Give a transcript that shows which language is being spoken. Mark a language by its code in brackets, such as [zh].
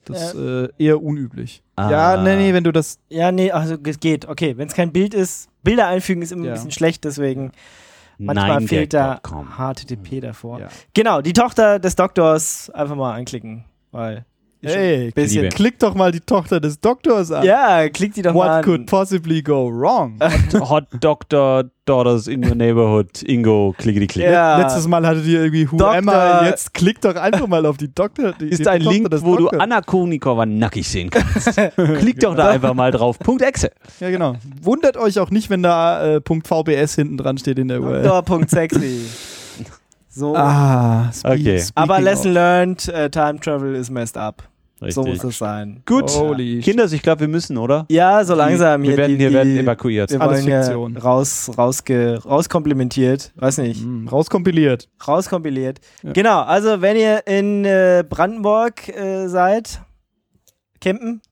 [de] Das ist eher unüblich. Ah. Ja, nee, wenn du das... Ja, nee, also es geht. Okay, wenn es kein Bild ist, Bilder einfügen ist immer ein bisschen schlecht, deswegen manchmal fehlt da HTTP davor. Ja. Genau, die Tochter des Doktors einfach mal anklicken, weil... Hey, klick doch mal die Tochter des Doktors an. Ja, klick die doch [en] What [de] mal an. [en] What could possibly go wrong? Hot Doctor Daughters in your neighborhood. [de] Ingo, klickety-klick. Ja. Letztes Mal hattet ihr irgendwie Who Doktor. [en] Am I? [de] Jetzt klick doch einfach mal auf die Doktor. Die, ist ein die Link, wo du Anna Kournikova nackig sehen kannst. Klick doch da einfach mal drauf. Punkt .exe. Ja, genau. Wundert euch auch nicht, wenn da Punkt .vbs hinten dran steht in der URL. Punkt .sexy. So. Ah, okay. [en] Aber lesson learned, time travel is messed up. [de] Richtig. So muss es sein. Gut, holy Kinders, ich glaube, wir müssen, oder? Ja, so langsam. Wir werden evakuiert. Wir alles Fiktion. Rauskomplimentiert. Weiß nicht. Rauskompiliert. Rauskompiliert. Ja. Genau, also wenn ihr in Brandenburg seid, campen.